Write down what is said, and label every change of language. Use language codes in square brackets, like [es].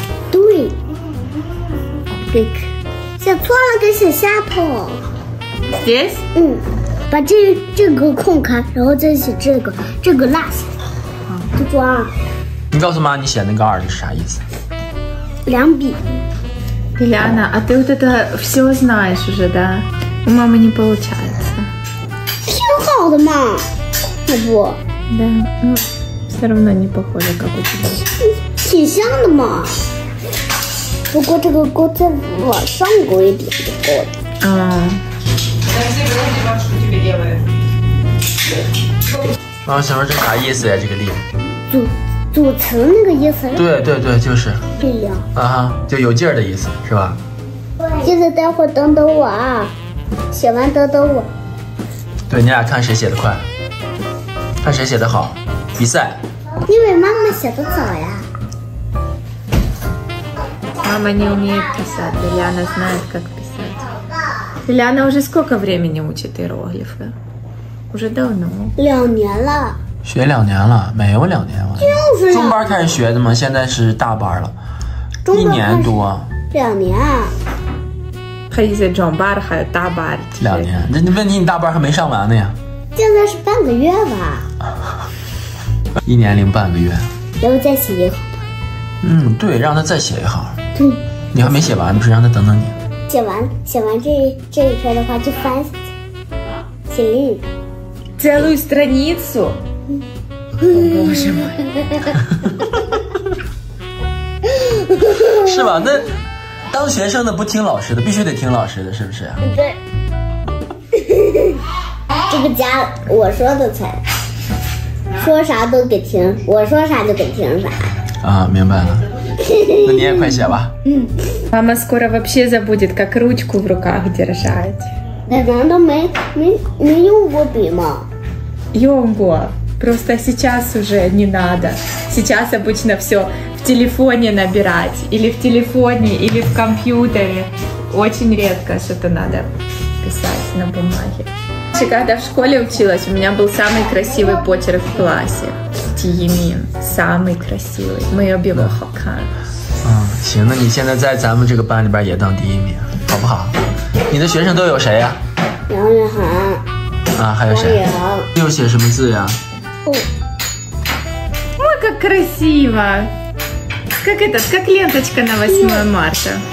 [zh] 对，这个写错了，给写下头。 [en] This， [zh] 嗯，把这个空开，然后再写这个落下，记住啊。你告诉妈，你写那个二是啥意思？两笔。 [ru] Ильяна, а ты вот это все знаешь уже, да? У мамы не получается. Все [zh] 好的嘛, [ru] бабу. Да, но все равно не похоже, как у тебя. [zh] 挺像的嘛. 不过这个锅再往上锅一点就够了。啊。妈妈想说这啥意思呀？这个力。组成那个意思，对对对，就是这样啊，就有劲儿的意思是吧？就是待会儿等等我啊，写完等等我。对，你俩看谁写的快，看谁写的好，比赛。因为妈妈写的早呀。妈妈 [ru] не умеет писать, Ильяна знает как писать. Ильяна уже сколько времени учит иероглифы? Уже давно. [zh] 两年了。学两年了，没有两年了，就是中班开始学的嘛，现在是大班了，中班一年多，两年，他意思中班还有大班，两年，这问题你大班还没上完呢呀，现在是半个月吧，一年零半个月，要不再写一行吧，嗯，对，让他再写一行，对，你还没写完，不是让他等等你，写完这一篇的话就翻，写另一个， [ru] целую страницу。 [zh] 是吧？那当学生的不听老师的，必须得听老师的，是不是？对。这个家我说的才，说啥都给听，我说啥就给听啥。啊，明白了。那你也快写吧。嗯。妈妈 [ru] скоро вообще забудет, как ручку в руках держать。 [zh] 难道没用过笔吗？用过。 [ru] Просто сейчас уже не надо. Сейчас обычно все в телефоне набирать. Или в телефоне, или в компьютере. Очень редко что-то надо писать на бумаге. Еще когда в школе училась, у меня был самый красивый почерк в классе. Тиемин. Самый красивый. Мы обе его хокан. [zh] 行，那你现在在咱们这个班里边也当第一名，好不好？你的学生都有谁呀？杨雨涵。啊，还有谁？又写什么字呀？ [en] Oh. [ru] Ой, как красиво! Как ленточка на 8 марта.